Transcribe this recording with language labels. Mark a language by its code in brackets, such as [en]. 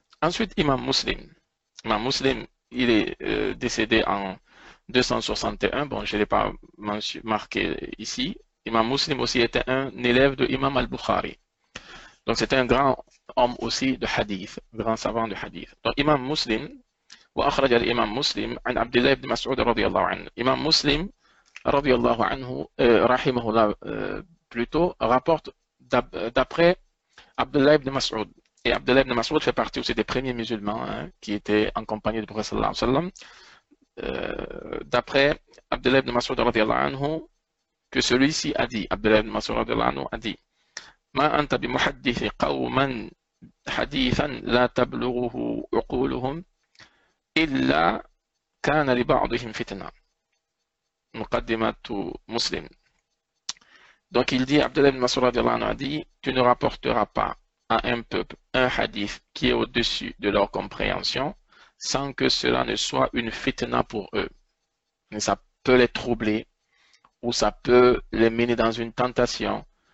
[fr] Ensuite, Imam Muslim, il est décédé en 261. Bon, je ne l'ai pas marqué ici. Imam Muslim aussi était un élève de Imam al-Bukhari. Donc, c'était un grand homme aussi de hadith, grand savant de hadith. Donc, Imam Muslim. [ar] وأخرج الإمام مسلم عن عبد الله بن مسعود رضي الله عنه. إمام مسلم رضي الله عنه رحمه الله [fr] plutôt rapporte d'après [ar] عبد الله بن مسعود. [fr] Et عبد الله بن مسعود fait partie aussi des premiers musulmans hein, qui étaient en compagnie du prophète [ar] صلى الله عليه وسلم. [fr] D'après [ar] عبد الله بن مسعود رضي الله عنه, [fr] que celui-ci a dit, [ar] عبد الله بن مسعود رضي الله عنه [fr] a dit, [ar] ما أنت بمحدث قوما حديثا لا تبلغه عقولهم إلا كان لبعضهم فتنة. مقدمة مسلم. [fr] Donc il dit, Abdullah ibn Mas'ud radiallahu anhu a dit, tu ne rapporteras pas à un peuple un hadith qui est au-dessus de leur compréhension sans que cela ne soit une fitna pour eux. Mais ça peut les troubler ou ça peut les mener dans une tentation